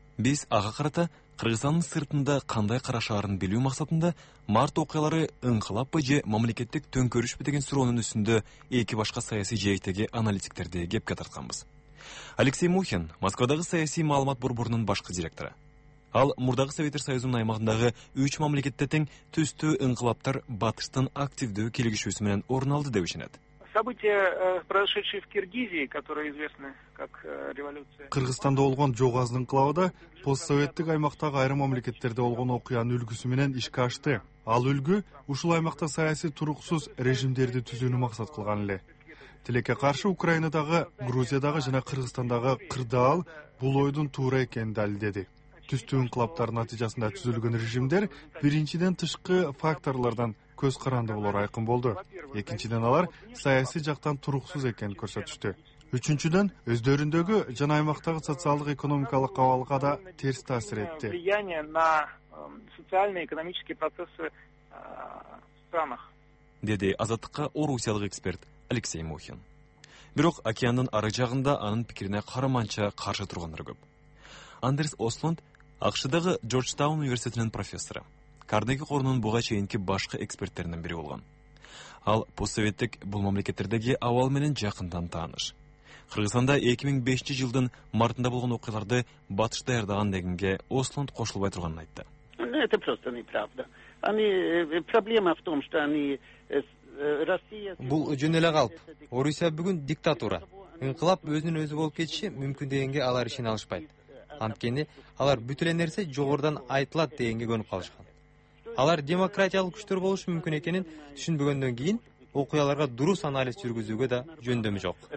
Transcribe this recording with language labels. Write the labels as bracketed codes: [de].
[ky] Биз ага карата Кыргызстандын сыртында кандай карашаарын билүү максатында март окуялары ынкылаппы же мамлекеттик төңкөрүшпү деген суроонун үстүндө эки башка саясий жээктеги аналитиктерди кепке тартканбыз. Алексей Мухин, Москвадагы саясий маалымат борборунун башкы директору. Ал мурдагы Советтер Союзунун аймагындагы үч мамлекетте тең түстүү ынкылаптар батыштын активдүү келишүүсү менен орун алды деп ишенет. [ru] События, произошедшие в Киргизии, которые известны как революция. [ky] Кыргызстанда болгон жогазынын кылабыда постсоветтик аймактагы айрым мамлекеттерде болгон окуянын үлгүсү менен ишке ашты. Ал үлгү ушул аймакта саясий туруксуз режимдерди түзүүнү максат кылган эле. Тилекке каршы Украинадагы, Грузиядагы жана Кыргызстандагы кырдаал бул ойдун туура экенин далилдеди. Түстүү инкылаптардын натыйжасында түзүлгөн режимдер биринчиден тышкы факторлордон көз каранды болору айкын болду. Экинчиден алар саясий жактан туруксуз экенин көрсөтүштү. Үчүнчүдөн өздөрүндөгү жана аймактагы социалдык экономикалык абалга да терс таасир этти. [ru] Влияние на социальные экономические процессы в странах. [ky] Деди Азаттыкка орусиялык эксперт Алексей Мухин. Бирок океандын ары жагында анын пикирине караманча каршы тургандар көп. Андерс Ослунд АШ-дагы Джорджтаун университетинин профессору. Карнеги корунун буга чейинки башкы эксперттеринен бири болгон. Ал постсоветтик бул мамлекеттердеги абал менен жакындан тааныш. Кыргызстанда 2005 жылдын мартында болгон окуяларды батыш даярдаган дегенге Ослунд кошулбай турганын айтты. [ru] Это просто неправда. Они проблема в том, что они Россия. [ky] Бул жөн эле калп. Орусия бүгүн диктатура. Инкылап өзүнүн өзү болуп кетиши мүмкүн дегенге алар ишенишпейт. Анткени алар бүт эле нерсе жогорудан айтылат дегенге көнүп калышкан. Алар демократиялык күчтөр болушу мүмкүн экенин түшүнбөгөндөн кийин окуяларга дурус анализ жүргүзүүгө да жөндөмү жок.